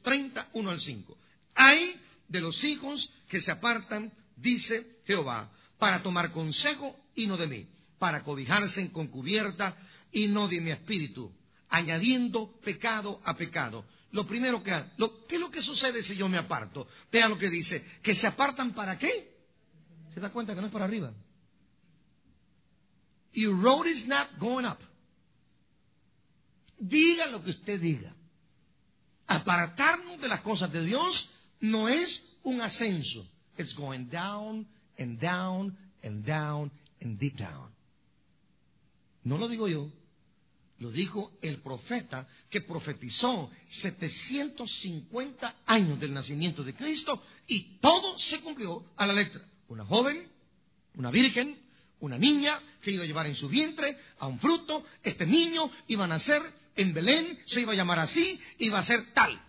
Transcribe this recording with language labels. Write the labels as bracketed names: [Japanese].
[Spanish] 30, 1 al 5. Hay de los hijos que se apartan, dice Jehová, para tomar consejo y no de mí, para cobijarse con cubierta y no de mi espíritu, añadiendo pecado a pecado. Lo primero que hace, ¿qué es lo que sucede si yo me aparto? Vean lo que dice, que se apartan ¿para qué? ¿Se da cuenta que no es para arriba? [English] Your road is not going up. [Spanish] Diga lo que usted diga. Apartarnos de las cosas de Dios no es un ascenso. [English] It's going down and down and down and deep down. [Spanish] No lo digo yo. Lo dijo el profeta que profetizó 750 años del nacimiento de Cristo y todo se cumplió a la letra. Una joven, una virgen, una niña que iba a llevar en su vientre a un fruto, este niño iba a nacer en Belén, se iba a llamar así, iba a ser tal.